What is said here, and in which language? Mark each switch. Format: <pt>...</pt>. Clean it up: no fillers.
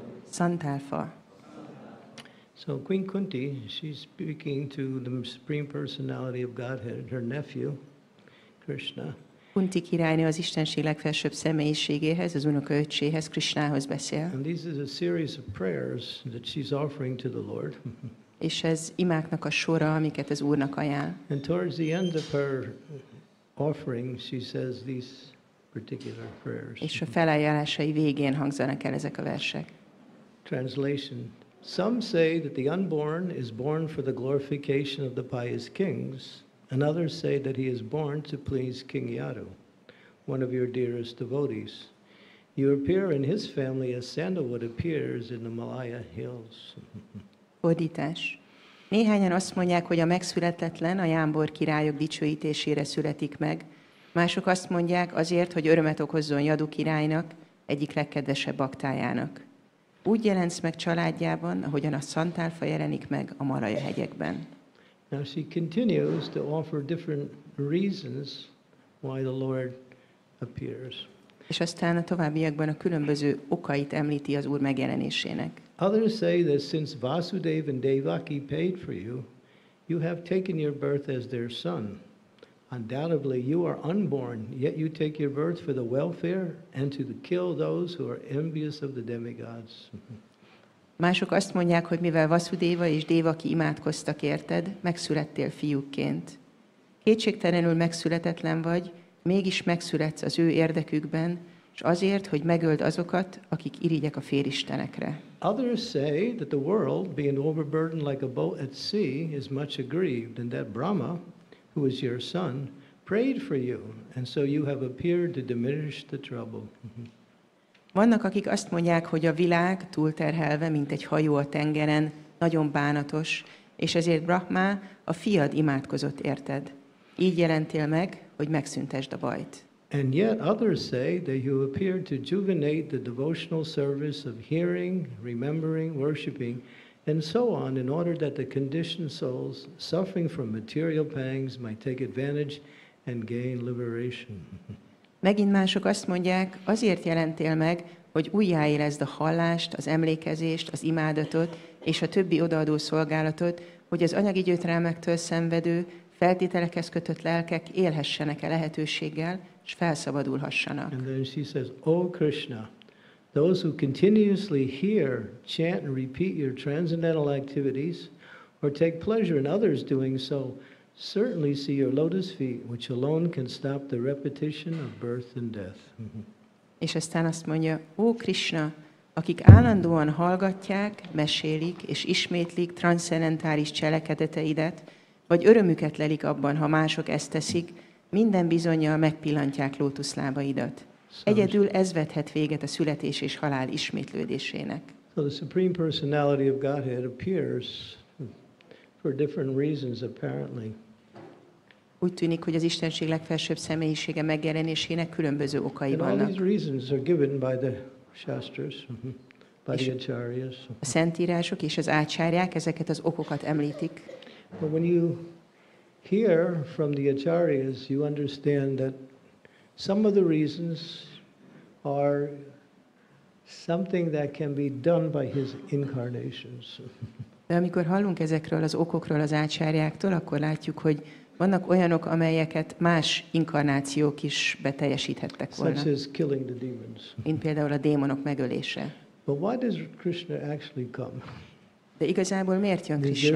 <hu>Santalfa.</hu> <en>So Queen Kunti, she's speaking to the Supreme Personality of Godhead, her nephew, Krsna.</en> <hu>Kunti királyné az Istenség legfelsőbb személyiségéhez, az unokaöccséhez, Krisnához beszél.</hu> <en>And this is a series of prayers that she's offering to the Lord.</en> <hu>És ez imáknak a sora, amiket az Úrnak ajánl.</hu> <en>And towards the end of her offering, she says these particular prayers.</en> <hu>És a felajánlásai végén hangzanak el ezek a versek.</hu> <en>Translation. Some say that the unborn is born for the glorification of the pious kings, and others say that he is born to please King Yadu, one of your dearest devotees. You appear in his family as sandalwood appears in the Malaya hills.</en> <hu>Fordítás. Néhányan azt mondják, hogy a megszületetlen a jámbor királyok dicsőítésére születik meg. Mások azt mondják azért, hogy örömet okozzon Yadu királynak, egyik legkedvesebb baktájának. Úgy jelensz meg családjában, ahogyan a szantálfa jelenik meg a Malaya hegyekben.</hu> <en>Now she continues to offer different reasons why the Lord appears.</en> <hu>És aztán a továbbiakban a különböző okait említi az Úr megjelenésének.</hu> <en>Others say that since Vasudev and Devaki paid for you, you have taken your birth as their son. Undoubtedly you are unborn, yet you take your birth for the welfare and to kill those who are envious of the demigods.</en> <hu>Mások azt mondják, hogy mivel Vasudeva és Devaki imádkoztak érted, megszülettél fiúkként. Kétségtelenül megszületetlen vagy, mégis megszületsz az ő érdekükben, és azért, hogy megöld azokat, akik irigyek a félistenekre.</hu> <en>Others say that the world, being overburdened like a boat at sea, is much aggrieved, and that Brahma, who is your son, prayed for you, and so you have appeared to diminish the trouble.</en> <hu>Vannak, akik azt mondják, hogy a világ túlterhelve, mint egy hajó a tengeren, nagyon bánatos, és ezért Brahma, a fiad imádkozott érted. Így jelentél meg, hogy megszüntesd a bajt.</hu> <en>And yet others say that you appeared to rejuvenate the devotional service of hearing, remembering, worshiping, and so on, in order that the conditioned souls suffering from material pangs might take advantage and gain liberation.</en> <hu>Megint mások azt mondják, azért jelentél meg, hogy újjáérezd a hallást, az emlékezést, az imádatot és a többi odaadó szolgálatot, hogy az anyagi gyötrelmektől szenvedő, feltételekhez kötött lelkek élhessenek a lehetőséggel, és felszabadulhassanak.</hu> <en>And then she says, O Krishna, those who continuously hear, chant and repeat your transcendental activities, or take pleasure in others doing so, certainly see your lotus feet, which alone can stop the repetition of birth and death.</en> <hu>És aztán azt mondja, ó Krishna, akik állandóan hallgatják, mesélik és ismétlik transzcendentális cselekedeteidet, vagy örömüket lelik abban, ha mások ezt teszik, minden bizonnyal megpillantják lótuszlábaidat. Egyedül ez vethet véget a születés és halál ismétlődésének.</hu> <en>So the Supreme Personality of Godhead appears for different reasons, apparently.</en> <hu>Úgy tűnik, hogy az Istenség legfelsőbb személyisége megjelenésének különböző okai</hu> <en>and</en> <hu>vannak.</hu> <en>All these reasons are given by the shastras, by the acharyas.</en> <hu>A szentírások és az ácsárják ezeket az okokat említik.</hu> <en>But when you hear from the acharyas, you understand that some of the reasons are something that can be done by his incarnations.</en> <hu>De amikor hallunk ezekről az okokról az ácsárjáktól, akkor látjuk, hogy vannak olyanok, amelyeket más inkarnációk is beteljesíthettek volna.</hu> <en>Such as killing the demons.</en> <hu>Mint például a démonok megölése.</hu> <en>But why does Krishna actually come?</en> <hu>De igazából miért jön Krishna?</hu>